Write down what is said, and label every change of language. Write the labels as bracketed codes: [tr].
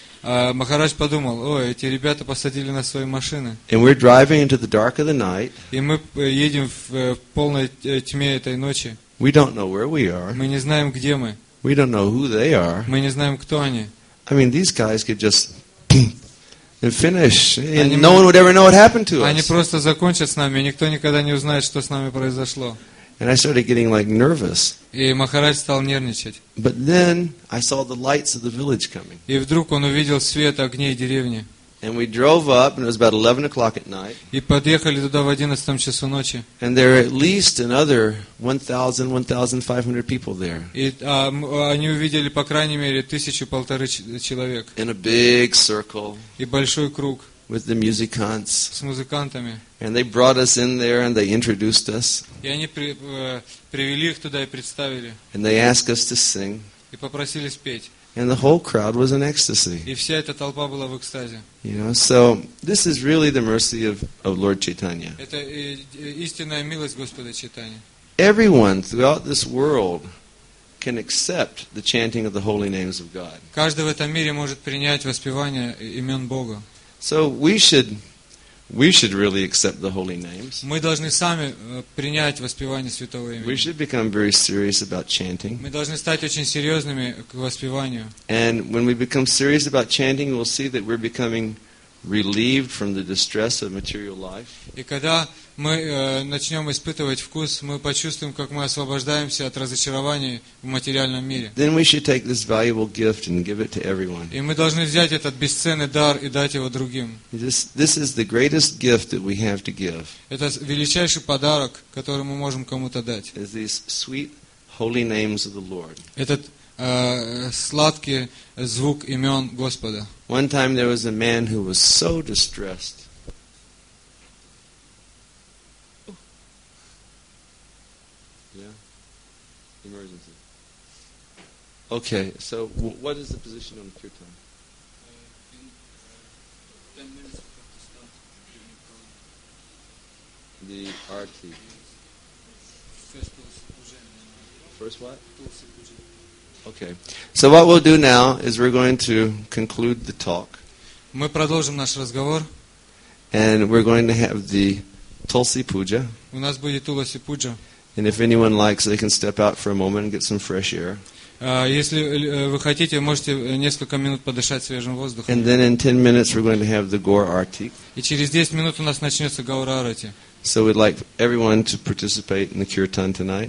[ru] Махарадж подумал: ой, эти ребята посадили нас в свои машины. [en] And we're driving into the dark of the night. [ru] И мы едем в полной тьме этой ночи. [en] We don't know where we are. [ru] Мы не знаем, где мы. [en] We don't know who they are. [ru] Мы не знаем, кто они. [en] I mean, these guys could just and finish. And no one would ever know what happened to us. [ru] Они просто закончат с нами, никто никогда не узнает, что с нами произошло. [en] And I started getting like nervous. [ru] И Махарадж стал нервничать. [en] But then I saw the lights of the village coming. [ru] И вдруг он увидел свет огней деревни. [en] And we drove up, and it was about 11 o'clock at night. [ru] И подъехали туда в 11 часу ночи. [en] And there were at least another 1,000-1,500 people there. [ru] И они увидели по крайней мере 1,000-1,500 человек. [en] In a big circle. [ru] И большой круг. [en] with the musicians. [ru] С музыкантами. [en] And they brought us in there and they introduced us. [ru] И они привели их туда и представили. [en] And they asked us to sing. [ru] И попросили спеть. [en] And the whole crowd was in ecstasy. [ru] И вся эта толпа была в экстазе. [en] You know, so this is really the mercy of Lord Chaitanya. [ru] Это истинная милость Господа Чайтаньи. [en] Everyone throughout this world can accept the chanting of the holy names of God. [ru] Каждый в этом мире может принять воспевание имен Бога. [en] So we should really accept the holy names. [ru] Мы должны сами принять воспевание святого имени. [en] We should become very serious about chanting. [ru] Мы должны стать очень серьезными к воспеванию. [en] And when we become serious about chanting, we'll see that we're becoming relieved from the distress of material life. [ru] И когда мы начнем испытывать вкус, мы почувствуем, как мы освобождаемся от разочарований в материальном мире. [en] Then we should take this valuable gift and give it to everyone. [ru] И мы должны взять этот бесценный дар и дать его другим. [en] This is the greatest gift that we have to give. [ru] Это величайший подарок, который мы можем кому-то дать. [en] Is these sweet holy names of the Lord. [ru] Этот сладкий звук имен Господа. [en] One time there was a man who was so distressed. Yeah? Emergency. Okay, so what is the position on the kirtan? In 10 minutes we have to start doing the program. The RT. First pulse. First what? Pulse. Okay. So what we'll do now is we're going to conclude the talk. [ru] Мы продолжим наш разговор. [en] And we're going to have the Tulsi Puja. [ru] У нас будет Туласи Пуджа. [en] And if anyone likes, they can step out for a moment and get some fresh air. [ru] Если вы хотите, можете несколько минут подышать свежим воздухом. [en] And then in 10 minutes we're going to have the Gaur Arati. [ru] И через 10 минут у нас начнется Гаура Арати. [en] So we'd like everyone to participate in the kirtan tonight.